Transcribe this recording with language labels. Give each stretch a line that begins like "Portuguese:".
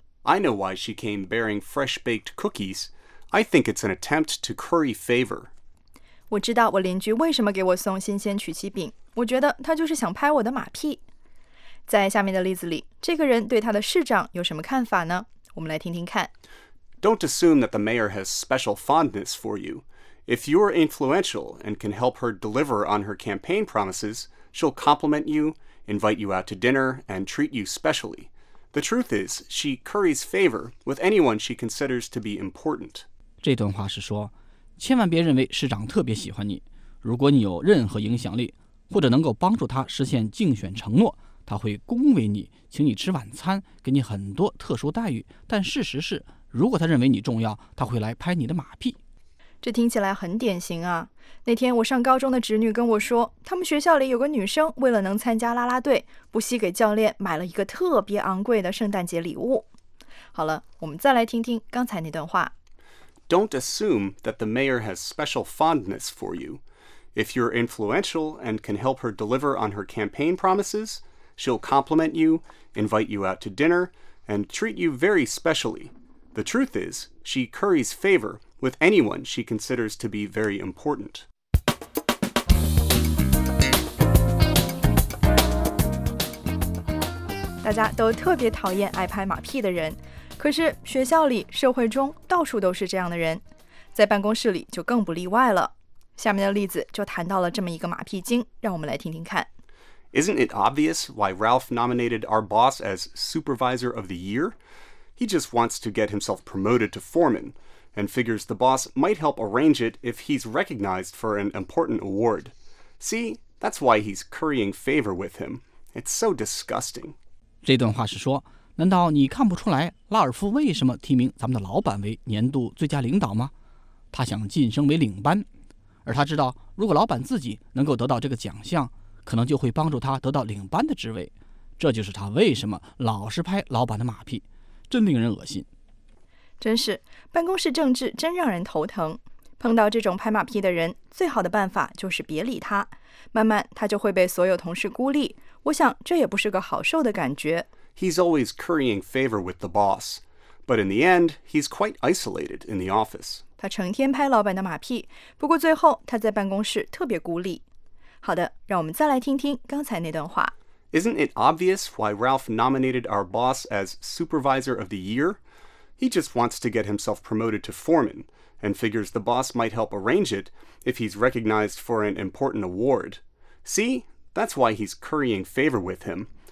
English: I know why she came bearing fresh baked cookies. I think it's an attempt to curry favor.
Chinese: 我知道我邻居为什么给我送新鲜曲奇饼，我觉得他就是想拍我的马屁。在下面的例子里，这个人对他的市长有什么看法呢？我们来听听看。
English: Don't assume that the mayor has special fondness for you. If you're influential and can help her deliver on her campaign promises, she'll compliment you, invite you out to dinner, and treat you specially. The truth is, she curries favor with anyone she considers to be important.
Chinese: 这段话是说，千万别认为市长特别喜欢你。如果你有任何影响力，或者能够帮助他实现竞选承诺，他会恭维你，请你吃晚餐，给你很多特殊待遇。但事实是，如果他认为你重要，他会来拍你的马屁。这听起来很典型啊。那天我上高中的侄女跟我说，他们学校里有个女生为了能参加啦啦队，不惜给教练买了一个特别昂贵的圣诞节礼物。好了，我们再来听听刚才那段话。
English: Don't assume that the mayor has special fondness for you. If you're influential and can help her deliver on her campaign promises,She'll compliment you, invite you out to dinner, and treat you very specially. The truth is, she curries favor with anyone she considers to be very important.
Chinese: 大家都特别讨厌爱拍马屁的人，可是学校里、社会中到处都是这样的人，在办公室里就更不例外了。下面的例子就谈到了这么一个马屁精，让我们来听听看。
English: Isn't it obvious why Ralph nominated our boss as Supervisor of the Year? He just wants to get himself promoted to foreman, and figures the boss might help arrange it if he's recognized for an important award. See, that's why he's currying favor with him. It's so disgusting.
Chinese: 这段话是说，难道你看不出来拉尔夫为什么提名咱们的老板为年度最佳领导吗？他想晋升为领班，而他知道如果老板自己能够得到这个奖项，可能就会帮助他得到领班的职位，这就是他为什么老是拍老板的马屁，真令人恶心。真是，办公室政治真让人头疼。碰到这种拍马屁的人，最好的办法就是别理他，慢慢他就会被所有同事孤立，我想这也不是个好受的感觉。
English: He's always currying favor with the boss, but in the end, he's quite isolated in the office.
Chinese: 他成天拍老板的马屁，不过最后他在办公室特别孤立。好的，让我们再来听听刚才那段话。
English: Isn't it obvious why Ralph nominated our boss as Supervisor of the Year? He just wants to get himself promoted to foreman, and figures the boss might help arrange it if he's recognized for an important award. See, that's why he's currying favor with him.